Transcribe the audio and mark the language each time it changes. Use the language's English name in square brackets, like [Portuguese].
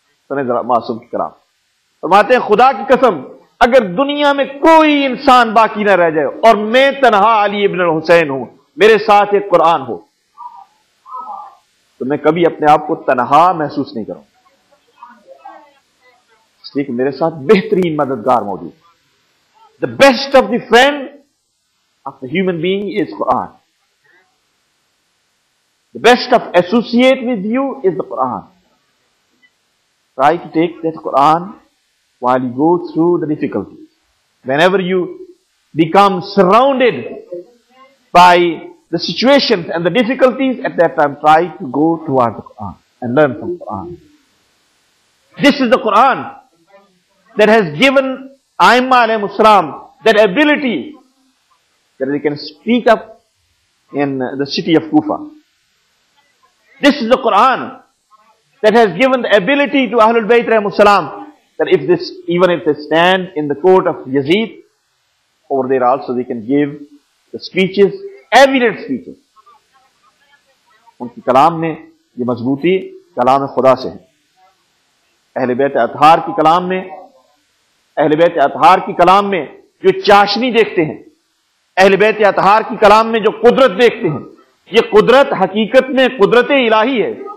[Urdu] سنے ذرا معصوم کی کرام. فرماتے ہیں خدا کی قسم اگر دنیا میں کوئی انسان باقی نہ رہ جائے اور میں تنہا علی ابن الحسین ہوں، میرے ساتھ ایک قرآن ہو، تو میں کبھی اپنے آپ کو تنہا محسوس نہیں کروں، اس لیے کہ میرے ساتھ بہترین مددگار موجود. [English] The best of the friend of the human being is قرآن. The best of associate with you is the قرآن. Try to take that قرآن while you go through the difficulty. Whenever you become surrounded by the situations and the difficulties, at that time try to go towards the Quran and learn from the Quran. This is the Quran that has given Aimma alayhi salam that ability that they can speak up in the city of Kufa. This is the Quran that has given the ability to Ahlul Bayt alayhi salam that if this, even if they stand in the court of Yazid over there also, they can give the speeches, evident speeches. [Urdu] ان کی کلام میں یہ مضبوطی کلام خدا سے ہے. اہل بیت اطہار کی کلام میں، اہل بیت اطہار کی کلام میں جو چاشنی دیکھتے ہیں، اہل بیت اطہار کی کلام میں جو قدرت دیکھتے ہیں، یہ قدرت حقیقت میں قدرت الہی ہے.